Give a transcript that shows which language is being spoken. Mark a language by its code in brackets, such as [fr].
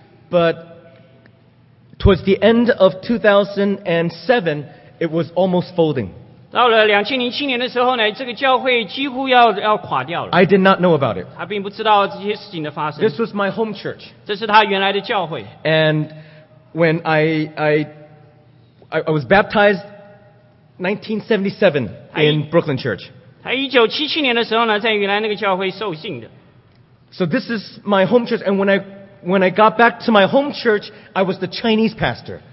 [en] But towards the end of 2007, it was almost folding. [zh] 到了2007年的时候呢, 这个教会几乎要垮掉了。 [en] I did not know about it. [zh] 他并不知道这些事情的发生。 [en] This was my home church. [zh] 这是他原来的教会。 [en] And when I was baptized 1977 in Brooklyn Church. [zh] 他1977年的时候呢, [en] so this is my home church, and when I got back to my home church, I was the Chinese pastor.